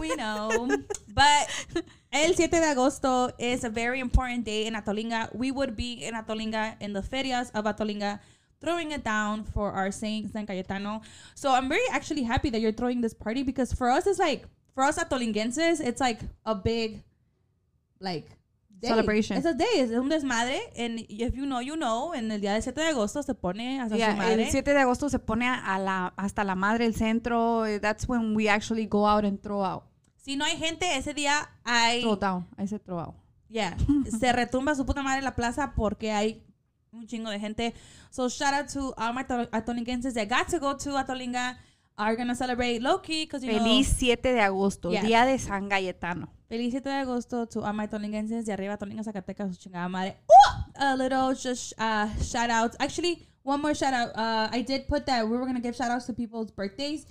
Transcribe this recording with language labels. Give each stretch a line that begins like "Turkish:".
English: We know. But
Spanish: El 7 de Agosto
English: is a very important day in Atolinga. We would be in Atolinga in the ferias of Atolinga throwing it down for our Saint San Cayetano. So I'm very actually happy that you're throwing this party because for us, it's like, for us Atolinguenses, it's like a big, like, day. Celebration. It's a day. It's
Spanish: un desmadre.
English: And if you know, you know.
Spanish: En el día del 7 de agosto se pone hasta su madre. El 7 de agosto se pone hasta la madre, el centro.
English: That's when we actually go out and throw out.
Spanish: Si no hay gente, ese día hay.
English: Throw down. I said throw out. Yeah.
Spanish: Se retumba su puta madre en la plaza porque hay un chingo de gente.
English: So shout out to all my Atolinguenses that got to go to Atolinga. Are going to celebrate low-key because, you
Spanish: Feliz
English: know.
Spanish: Feliz 7 de agosto. Yeah. Día de San Cayetano. Feliz 7 de agosto
English: to all my Atolinguenses
Spanish: de arriba, Atolinga, Zacatecas, su chingada madre.
English: A little shout out. Actually, one more shout out. I did put that we were going to give shout outs to people's birthdays.